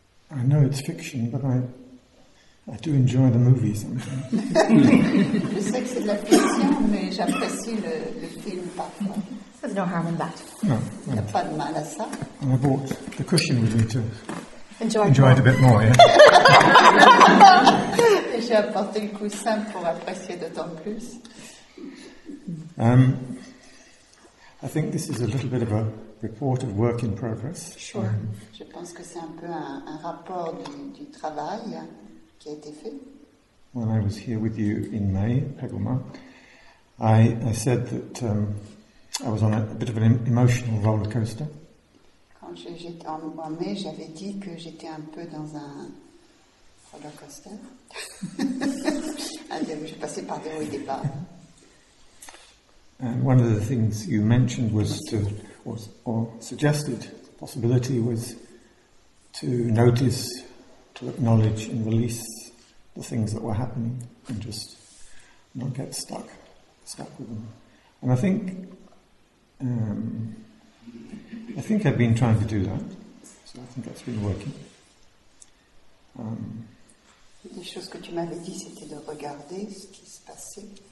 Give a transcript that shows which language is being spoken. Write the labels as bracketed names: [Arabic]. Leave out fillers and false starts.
[English] I know it's fiction, but I do enjoy the movie sometimes. [French] Je sais que c'est de la fiction, mais j'apprécie le film parfois. [English] There's no harm in that. No. [French] Il n'y a pas de mal à ça. [English] And I brought the cushion with me to enjoy it a bit more, yeah. [French] Et j'ai apporté le coussin pour apprécier d'autant plus. [English] I think this is a little bit of a report of work in progress. Sure. [French] Je pense que c'est un peu un rapport du travail qui a été fait. [English] When I was here with you in May, Pegoma, I said that I was on a bit of an emotional roller coaster. [French] Quand j'étais en mai, j'avais dit que j'étais un peu dans un roller coaster. J'ai passé par des hauts et des bas. [English] And one of the things you mentioned was to, or suggested, possibility was to notice, to acknowledge and release the things that were happening and just not get stuck with them. And I think I've been trying to do that, so I think that's been working. [French] Des choses que tu m'avais dit, c'était de regarder ce qui se passait.